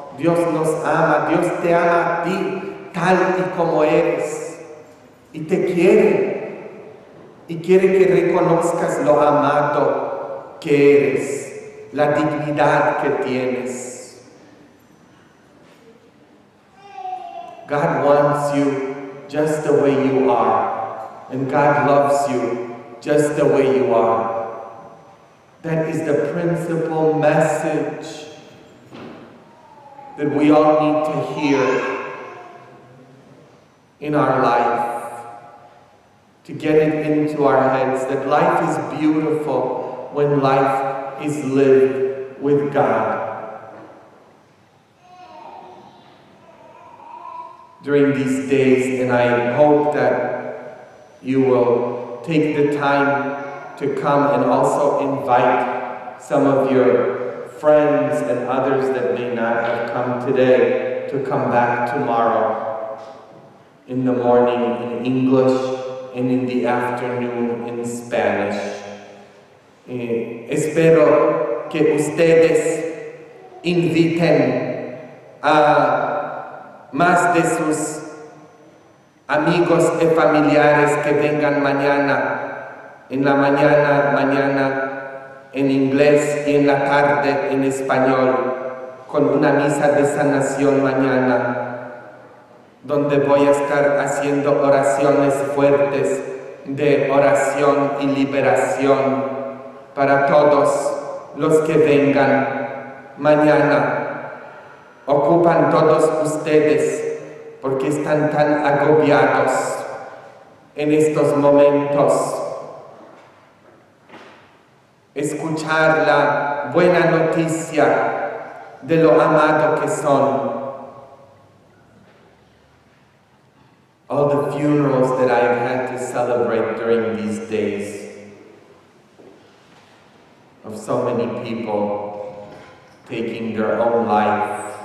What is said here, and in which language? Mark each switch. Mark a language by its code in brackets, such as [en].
[es] Dios nos ama, Dios te ama a ti tal y como eres y te quiere y quiere que reconozcas lo amado que eres, la dignidad que tienes. [en] God wants you just the way you are and God loves you just the way you are. That is the principal message that we all need to hear in our life, to get it into our heads that life is beautiful when life is lived with God. During these days, and I hope that you will take the time to come and also invite some of your friends and others that may not have come today to come back tomorrow in the morning in English and in the afternoon in Spanish. [es] Espero que ustedes inviten a más de sus amigos y familiares que vengan mañana, en la mañana, mañana en inglés y en la tarde en español, con una misa de sanación mañana, donde voy a estar haciendo oraciones fuertes de oración y liberación para todos los que vengan mañana. Ocupan todos ustedes porque están tan agobiados en estos momentos. Escuchar la buena noticia de lo amado que son. [en] All the funerals that I've had to celebrate during these days of so many people taking their own life.